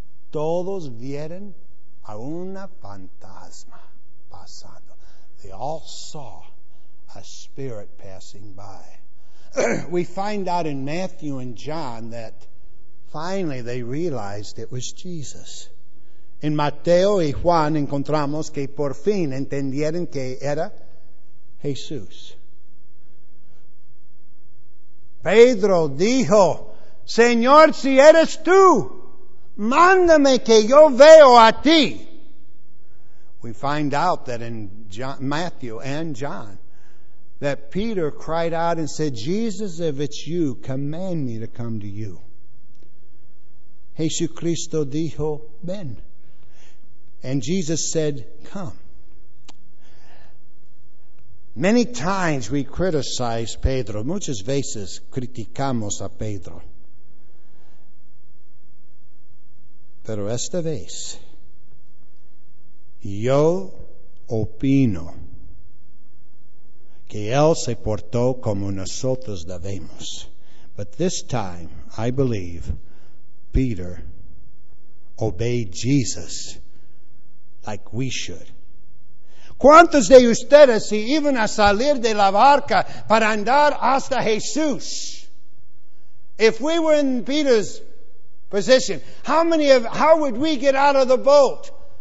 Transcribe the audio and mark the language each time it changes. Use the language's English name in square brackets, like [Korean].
[Spanish] Todos vieron a una fantasma pasando. [English] They all saw a spirit passing by. We find out in Matthew and John that finally they realized it was Jesus. [Spanish] In Mateo y Juan encontramos que por fin entendieron que era Jesús. Pedro dijo, Señor, si eres tú, mándame que yo veo a ti. [English] We find out that in John, Matthew and John, that Peter cried out and said, Jesus, if it's you, command me to come to you. [Spanish] Jesucristo dijo, ven. [English] And Jesus said, come. Many times we criticize Pedro. [Spanish] Muchas veces criticamos a Pedro. Pero esta vez, yo opino que él se portó como nosotros debemos. [English] But this time, I believe, Peter obeyed Jesus like we should. [Spanish] ¿Cuántos de ustedes se iban a salir de la barca para andar hasta Jesús? [English] If we were in Peter's position, how would we get out of the boat?